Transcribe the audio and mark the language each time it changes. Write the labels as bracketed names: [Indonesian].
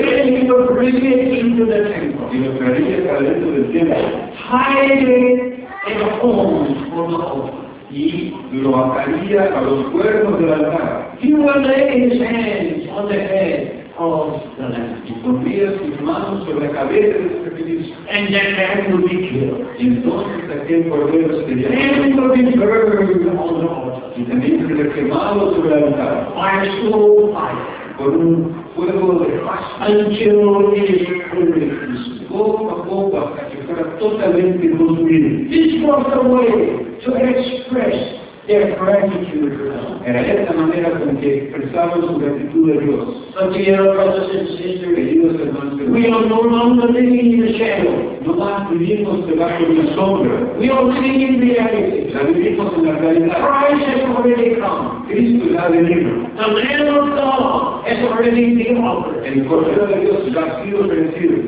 [English] And he would bring it into the temple. [Spanish] Y lo traería para dentro del templo. [English] Hide it in a horn for the altar. [Spanish] Y lo ataría a los cuernos del altar. [English] He would lay his hands on the head. [Spanish] Y pondría sus manos sobre la cabeza de este sacrificio. [English] And that man will be killed. [Spanish] Y entonces aquel cordero sería quemado. [English] And it will be burned on the altar. [Spanish] Y también sería quemado sobre el altar. [English] By a slow fire. [Spanish] Por un fuego de paso. [English] Until it is consumed. [Spanish] Poco a poco hasta que fuera totalmente consumido. [English] This was the way to express their gratitude to God. [Spanish] Era esta manera con que expresaban su gratitud a Dios. [English] But dear brothers and sisters, we are no longer living in the shadow. [Spanish] No más vivimos debajo de la sombra. [English] We are living in reality. [Spanish] Ya vivimos en la realidad. [English] Christ has already come. [Spanish] Cristo ya ha venido. [English] The Lamb of God has already been offered. [Spanish] El Cordero de Dios ya ha sido ofrecido.